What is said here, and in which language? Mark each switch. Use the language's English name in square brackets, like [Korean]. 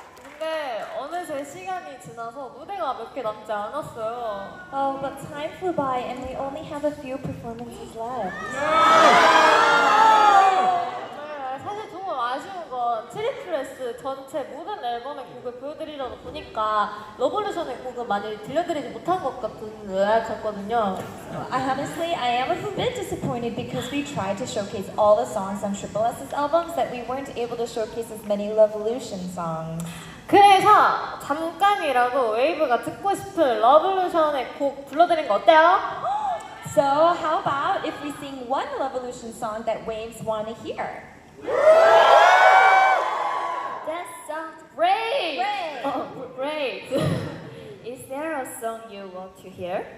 [Korean] 근데 어느새 시간이 지나서 무대가 몇 개 남지 않았어요. [English] Oh, but time flew by and we only have a few performances left. [Korean] 사실 정말 아쉬운 건 트리플S 전 전체 모든 앨범의 곡을 보여드리려고 보니까 러볼루션의 곡은 많이 들려드리지 못한 것 같은 의아했거든요. [English] I honestly, I am a bit disappointed because we tried to showcase all the songs on tripleS's albums that we weren't able to showcase as many LOVElution songs. [Korean] 그래서 잠깐이라도 웨이브가 듣고 싶은 러볼루션의 곡 불러드리는 거 어때요? [English] So how about if we sing one LOVElution song that waves want to hear? That sounds great! Great! Is there a song you want to hear?